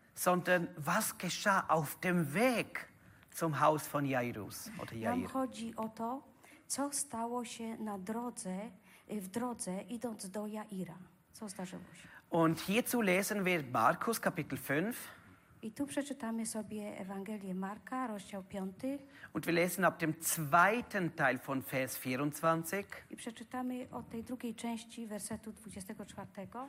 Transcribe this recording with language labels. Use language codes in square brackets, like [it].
[de] Sondern was geschah auf dem Weg zum Haus von Jairus oder Jair. [pl] Nam chodzi o to, co stało się na drodze, w drodze, idąc do Jaira. Co zdarzyło się? [de] Und hierzu lesen wir Markus Kapitel 5. [pl] I tu przeczytamy sobie Ewangelię Marka, rozdział 5. [de] Und wir lesen ab dem zweiten Teil von Vers 24. [pl] I przeczytamy od tej drugiej części wersetu 24.